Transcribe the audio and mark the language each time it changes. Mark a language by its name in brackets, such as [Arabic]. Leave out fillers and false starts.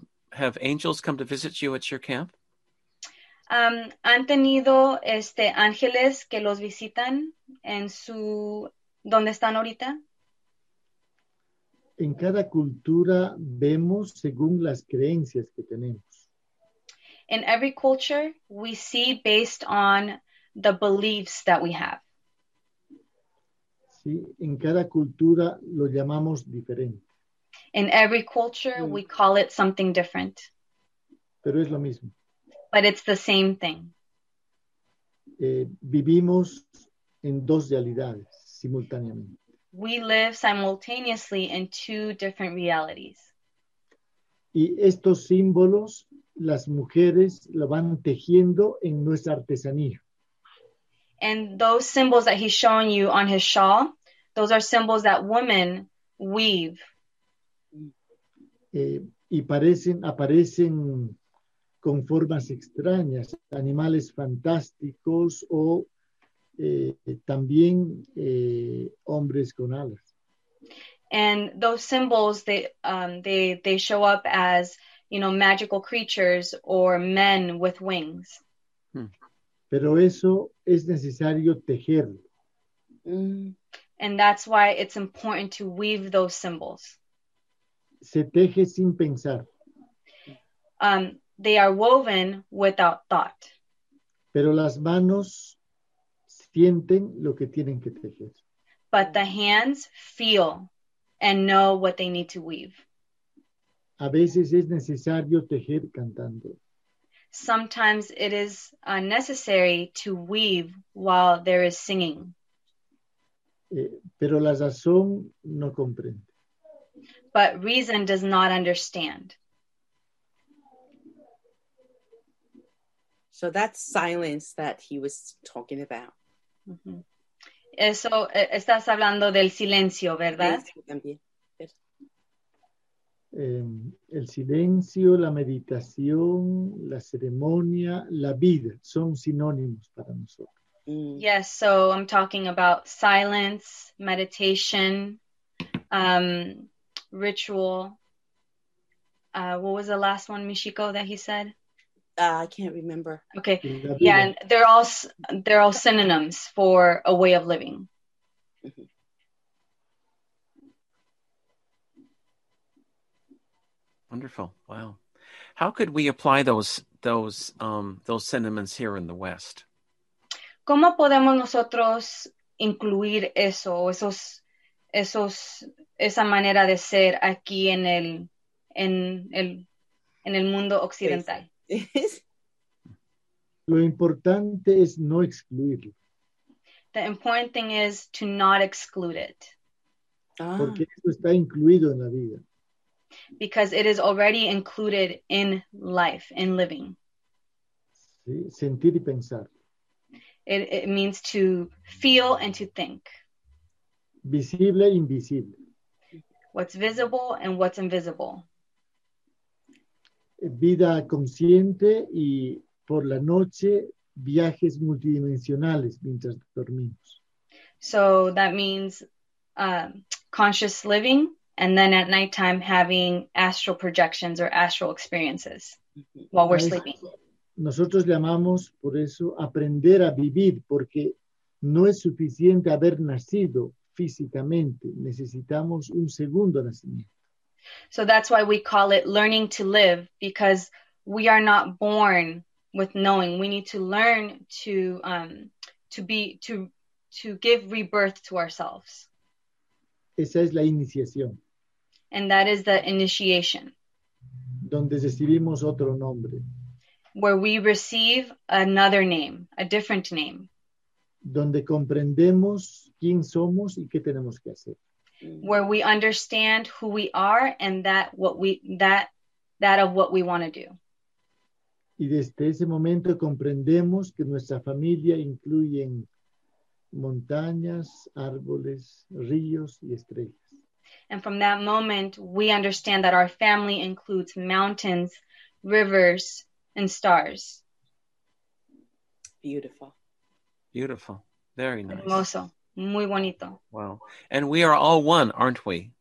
[English] Have angels come to visit you at your camp? [Spanish] Han tenido ángeles que los visitan en su donde están ahorita. En cada cultura vemos según las creencias que tenemos. [English] In every culture, we see based on the beliefs that we have. [Spanish] Sí, en cada cultura lo llamamos diferente. [English] In every culture, we call it something different. [Spanish] Pero es lo mismo. [English] But it's the same thing. [Spanish] Vivimos en dos realidades simultáneamente. [English] We live simultaneously in two different realities. [Spanish] Y estos símbolos, las mujeres lo van tejiendo en nuestra artesanía. [English] And those symbols that he's showing you on his shawl, those are symbols that women weave. [Spanish] Y aparecen con formas extrañas, animales fantásticos o también hombres con alas. [English] And those symbols, they show up as, you know, magical creatures or men with wings. [Spanish] Pero eso es necesario tejerlo. [English] And that's why it's important to weave those symbols. [Spanish] Se teje sin pensar. [English] They are woven without thought. [Spanish] Pero las manos sienten lo que tienen que tejer. [English] But the hands feel and know what they need to weave. [Spanish] A veces es necesario tejer cantando. [English] Sometimes it is necessary to weave while there is singing. [Spanish] Pero la razón no comprende. [English] But reason does not understand. So that's silence that he was talking about. [Spanish] Mm-hmm. Eso, estás hablando del silencio, ¿verdad? Sí, también. El silencio, la meditación, la ceremonia, la vida, son sinónimos para nosotros. [English] Yes, so I'm talking about silence, meditation, ritual. What was the last one, Michiko, that he said? I can't remember. Okay, yeah, and they're all synonyms for a way of living. Wonderful. Wow. How could we apply those sentiments here in the West? [Spanish] ¿Cómo podemos nosotros incluir eso, esa manera de ser aquí en el mundo occidental? Lo importante es no excluirlo. [English] The important thing is to not exclude it. [Spanish] Porque eso está incluido en la vida. [English] Because it is already included in life, in living. [Spanish] Sí, sentir y pensar. [English] It means to feel and to think. [Spanish] Visible e invisible. [English] What's visible and what's invisible. [Spanish] Vida consciente y por la noche viajes multidimensionales mientras dormimos. [English] So that means conscious living. And then at nighttime, having astral projections or astral experiences while we're sleeping. [Spanish] Nosotros llamamos por eso aprender a vivir, porque no es suficiente haber nacido físicamente. Necesitamos un segundo nacimiento. [English] So that's why we call it learning to live, because we are not born with knowing. We need to learn to give rebirth to ourselves. [Spanish] Esa es la iniciación. [English] And that is the initiation. [Spanish] Donde recibimos otro nombre. [English] Where we receive another name, a different name. [Spanish] Donde comprendemos quién somos y qué tenemos que hacer. [English] Where we understand who we are and that of what we want to do. [Spanish] Y desde ese momento comprendemos que nuestra familia incluye montañas, árboles, ríos y estrellas. [English] And from that moment, we understand that our family includes mountains, rivers, and stars. Beautiful. Beautiful. Very nice. [Spanish] Hermoso. Muy bonito. [English] Wow. And we are all one, aren't we?